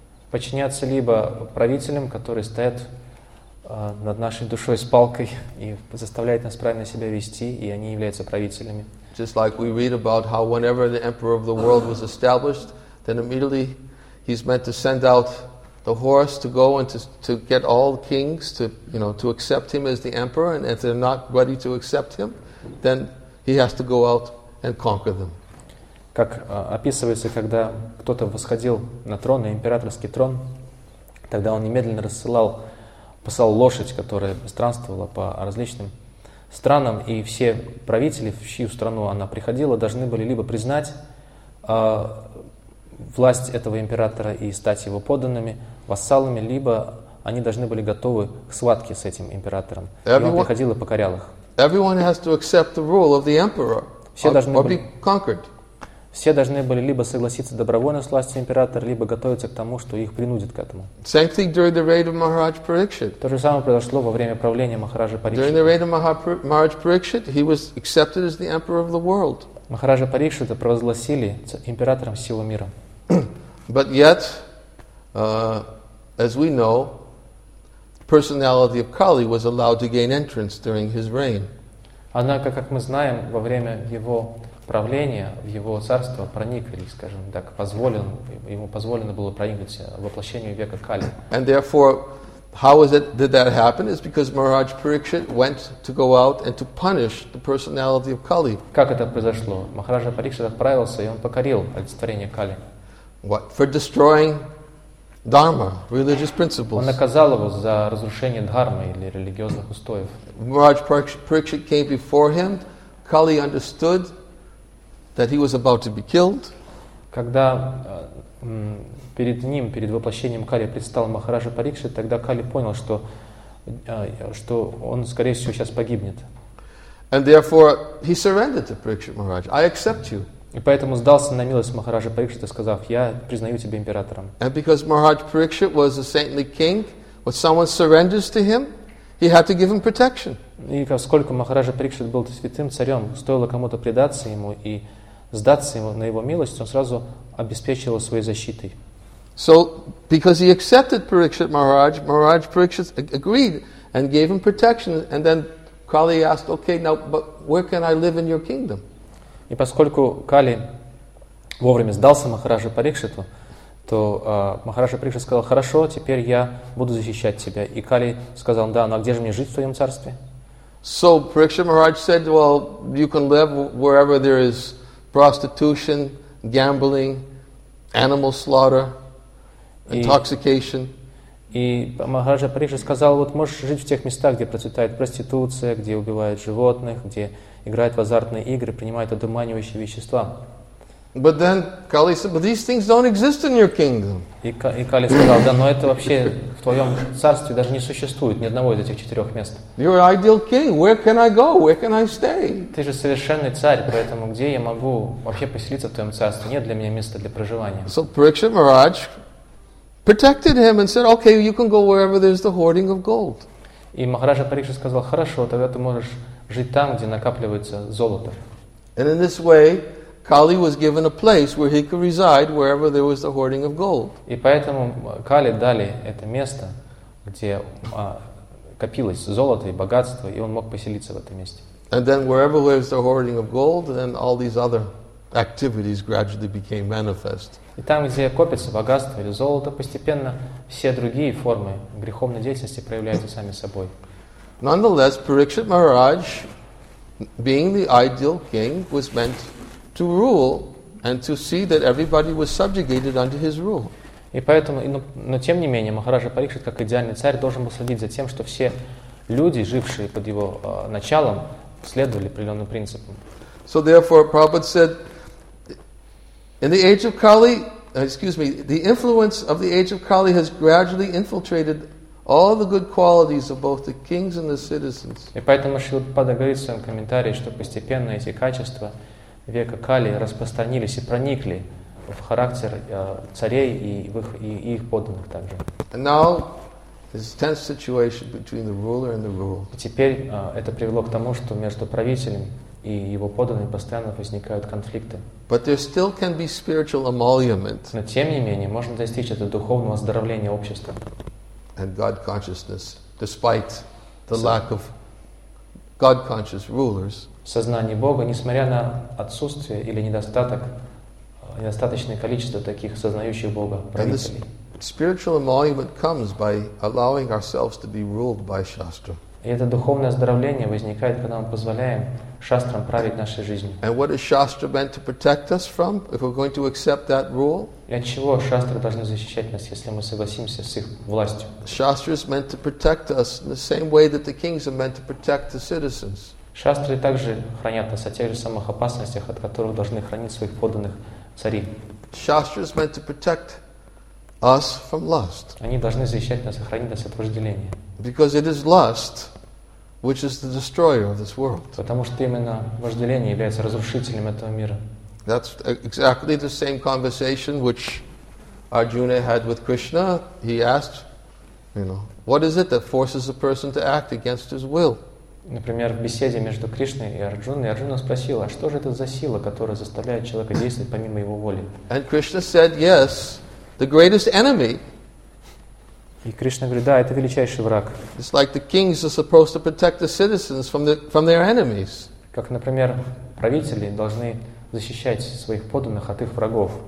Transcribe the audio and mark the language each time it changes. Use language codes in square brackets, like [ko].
[ru] Подчиняться либо правителям, которые стоят над нашей душой с палкой и заставляют нас правильно себя вести, и они являются правителями. [en] Just like we read about how whenever the emperor of the world was established, then immediately he's meant to send out the horse to go and to get all the kings to, you know, to accept him as the emperor. And if they're not ready to accept him, then he has to go out and conquer them. [ru] Как описывается, когда кто-то восходил на трон, на императорский трон, тогда он немедленно посылал лошадь, которая странствовала по различным странам, и все правители, в чью страну она приходила, должны были либо признать власть этого императора и стать его подданными, вассалами, либо они должны были готовы к схватке с этим императором. И он приходил и покорял их. [en] Everyone has to accept the rule of the emperor. [ru] все должны [en] or [ru] были, [en] be conquered. [ru] Все должны были либо согласиться добровольно с властью императора, либо готовиться к тому, что их принудит к этому. [en] Same thing during the reign of Maharaj Parikshit. [ru] То же самое произошло во время правления Махараджи Парикшита. [en] During the reign of Maharaj Parikshit, he was accepted as the emperor of the world. [ru] Махараджа Парикшита провозгласили императором всего мира. [en] But yet, as we know, personality of Kali was allowed to gain entrance during his reign. [ru] Однако, как мы знаем, во время его правления в его царство проник, или, скажем так, позволен, ему позволено было проникнуть воплощению века Кали. [en] And therefore, how is it did that happen? It's because Maharaj Parikshit went to go out and to punish the personality of Kali. [ru] Как это произошло? Махараджа Парикшит отправился, и он покорил олицетворение Кали. [en] What? For destroying dharma, religious principles. [ru] Он наказал его за разрушение дхармы или религиозных устоев. [en] Maharaj Parikshit came before him. Kali understood that he was about to be killed. [ru] Когда перед ним, перед воплощением Кали предстал Махараджа Парикшит, тогда Кали понял, что что он скорее всего сейчас погибнет. [en] And therefore he surrendered to Parikshit Maharaj. I accept you. [ru] И поэтому сдался на милость Махараджа Парикшита, сказав: "Я признаю тебя императором". [en] And because Maharaj Parikshit was a saintly king, when someone surrenders to him, he had to give him protection. [ru] И поскольку Махараджа Парикшит был святым царем, стоило кому-то предаться ему и сдаться ему на его милость, он сразу обеспечил своей защитой. [en] So, because he accepted Parikshit Maharaj, Maharaj Parikshit agreed and gave him protection. And then Kali asked, "Okay, now, but where can I live in your kingdom?" [ru] И поскольку Кали вовремя сдался Махараджа Парикшиту, то Махараджа Парикшит сказал: "Хорошо, теперь я буду защищать тебя". И Кали сказал: "Да, но где же мне жить в твоем царстве?" [en] So Parikshit Maharaj said, "Well, you can live wherever there is prostitution, gambling, animal slaughter, intoxication." [ru] И Махараджа Парикшит сказал: "Вот можешь жить в тех местах, где процветает проституция, где убивают животных, где играют в азартные игры, принимают одурманивающие вещества". [en] But then Kali said, "But these things don't exist in your kingdom." [ru] И Кали сказал: "Да, но это вообще в твоем царстве даже не существует ни одного из этих четырех мест". [en] You're an ideal king. Where can I go? Where can I stay? [ru] Ты же совершенный царь, поэтому где я могу вообще поселиться в твоем царстве? Нет для меня места для проживания. [en] So Parikshit Maharaj protected him and said, "Okay, you can go wherever there's the hoarding of gold." [ru] И Махараджа Парикшит сказал: "Хорошо, тогда ты можешь жить там, где накапливается золото". [en] And in this way, Kali was given a place where he could reside wherever there was the hoarding of gold. [ru] И поэтому Кали дали это место, где копилось золото и богатство, и он мог поселиться в этом месте. [en] And then wherever there was the hoarding of gold, then all these other activities gradually became manifest. [ru] И там, где копится богатство или золото, постепенно все другие формы греховной деятельности проявляются сами собой. [en] Nonetheless, Parikshit Maharaj, being the ideal king, was meant to rule and to see that everybody was subjugated under his rule. [ru] И поэтому, но тем не менее, Махараджа Парикшит, как идеальный царь, должен был следить за тем, что все люди, жившие под его началом, следовали определенным принципам. [en] So therefore, Prabhupada said, in the age of Kali, excuse me, the influence of the age of Kali has gradually infiltrated all the good qualities of both the kings and the citizens. [ru] И поэтому Шрила Прабхупада говорит в своем комментарии, что постепенно эти качества века Кали распространились и проникли в характер царей и их подданных также. [en] And now this tense situation between the ruler and the ruled. [ru] Теперь это привело к тому, что между правителем и его подданными постоянно возникают конфликты. [en] But there still can be spiritual emolument. [ru] Но тем не менее можно достичь этого духовного оздоровления общества. [en] And God consciousness, despite the lack of God conscious rulers. [ru] Сознание Бога, несмотря на отсутствие или недостаточное количество таких сознающих Бога правителей. [en] Spiritual emolument comes by allowing ourselves to be ruled by Shastra. [ru] И это духовное оздоровление возникает, когда мы позволяем шастрам править нашей жизнью. [en] And what is Shastra meant to protect us from if we're going to accept that rule? [ru] И от чего шастры должны защищать нас, если мы согласимся с их властью? [en] Shastra is meant to protect us in the same way that the kings are meant to protect the citizens. [ru] Шастры также хранят нас от тех же самых опасностях, от которых должны хранить своих подданных цари. [en] Shastra is meant to protect us from lust. [ru] Они должны защищать нас и хранить нас от вожделения. [en] Because it is lust which is the destroyer of this world. [ru] Потому что именно вожделение является разрушителем этого мира. [en] That's exactly the same conversation which Arjuna had with Krishna. He asked, you know, what is it that forces a person to act against his will? [ru] Например, в беседе между Кришной и Арджуной, Арджуна спросил, а что же это за сила, которая заставляет человека действовать помимо его воли? [en] And Krishna said, yes, the greatest enemy. [ru] И Кришна говорит, да, это величайший враг. [en] It's like the kings are supposed to protect the citizens from their enemies. [ru] Как, например, правители должны защищать своих подданных от их врагов.